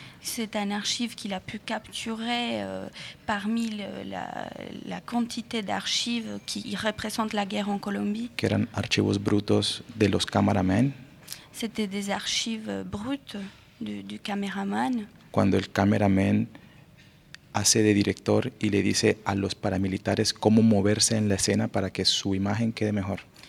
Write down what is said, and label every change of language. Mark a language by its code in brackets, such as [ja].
[fr] C'est un archive qu'il a pu capturer parmi la quantité d'archives qui représentent la guerre en Colombie. [es] Que eran archivos brutos de los cameramen. [fr] C'était des archives brutes du cameraman. [es] Cuando el cameraman hace de director y le dice a los paramilitares cómo moverse en la escena para que su imagen quede mejor.